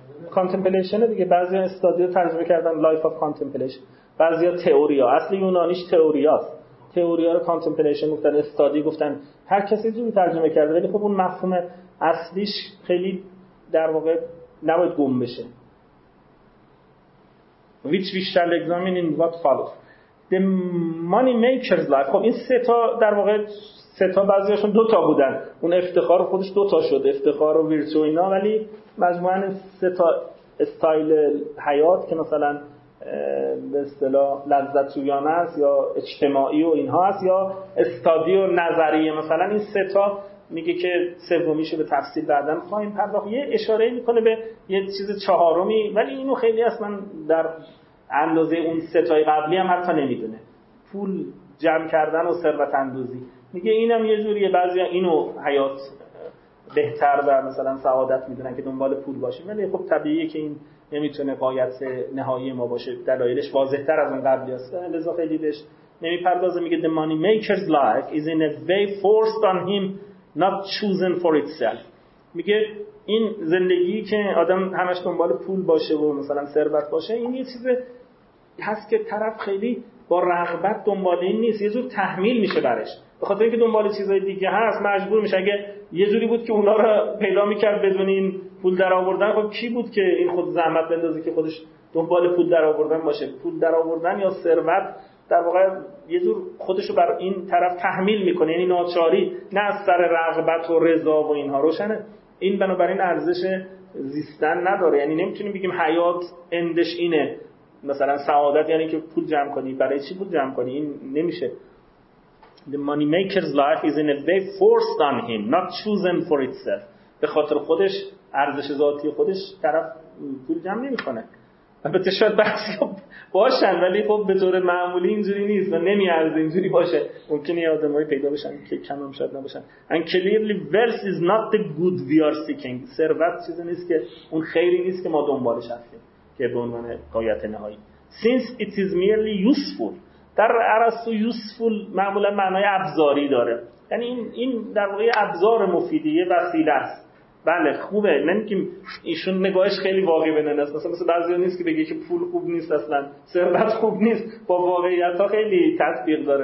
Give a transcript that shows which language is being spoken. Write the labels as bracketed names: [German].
[Persian] کانتمپلیشن دیگه، بعضی استادیو ترجمه کردن لایف آف کانتمپلیشن، بعضی ها تئوریا، اصل یونانیش تئوریا است، تئوریا رو کانتمپلیشن گفتن، استادی گفتن، هر کسی جوری ترجمه کرده، ولی خب اون مفهوم اصلیش خیلی در واقع نباید گم بشه. [English] Which we shall examine in what follows. The money maker's life. [Persian] خب این سه تا در واقع سه تا، بعضی هاشون دو تا بودن، اون افتخار خودش دو تا شد، افتخار و ویرتو اینا، ولی مجموعا این سه تا استایل حیات که مثلا به اصطلاح لذت جویانه است یا اجتماعی و اینها است یا استادی و نظریه، مثلا این سه تا میگه که سومیشو به تفصیل بعدن خواهیم پرداخت. یه اشاره میکنه به یه چیز چهارمی، ولی اینو خیلی اصلا در اندازه اون سه تای قبلی هم حتی نمیدونه، پول جمع کردن و ثروت اندوزی، میگه اینم یه جوریه، بعضیا اینو حیات بهتر و مثلا سعادت میدونن که دنبال پول باشه، ولی خب طبیعیه که این نمیتونه غایت نهایی ما باشه، دلایلش واضح‌تر از اون قبلی هست، لذا خیلی بهش نمیپردازه، میگه [English] the money maker's life is in a way forced on him not chosen for itself. [Persian] میگه این زندگی که آدم همش دنبال پول باشه و مثلا ثروت باشه، این یه چیز هست که طرف خیلی با رغبت دنبال این نیست، یه جور تحمیل میشه برش، به خاطر اینکه دنبال چیزهای دیگه هست مجبور میشه. اگه یه جوری بود که اونا رو پیدا میکرد بدون این پول در آوردن، خب کی بود که این خود زحمت بندازه که خودش دنبال پول در آوردن باشه؟ پول در آوردن یا ثروت در واقع یه جور خودشو بر این طرف تحمیل میکنه، یعنی ناچاری، نه از سر رغبت و رضا و اینها. روشنه این بنابراین ارزش زیستن نداره، یعنی نمیتونیم بگیم حیات اندش اینه مثلا سعادت، یعنی که پول جمع کنی. برای چی پول جمع کنی؟ این نمیشه. [English] The money maker's life is in a way forced on him not chosen for itself. [Persian] به خاطر خودش، ارزش ذاتی خودش طرف پول جمع نمیکنه. البته شاید بعضی باشن، ولی خب به طور معمولی اینجوری نیست و نمیارزه اینجوری باشه. ممکنه یه آدمایی پیدا بشن که کم هم شاید نباشن. [English] And clearly wealth is not the good we are seeking. [Persian] ثروت چیزی نیست که، اون خیری نیست که ما دنبالش هستیم که به عنوان غایت نهایی. [English] Since it is merely useful. [Persian] در ارسطو useful معمولا معنای ابزاری داره، یعنی این در واقع ابزار مفیدیه، وسیله است. بله خوبه، نمیگیم ایشون نگاهش خیلی واقعی بنن است، مثلا بعضی ها نیست که بگه که پول خوب نیست، اصلا ثروت خوب نیست، با واقعیت ها خیلی تطبیق داره.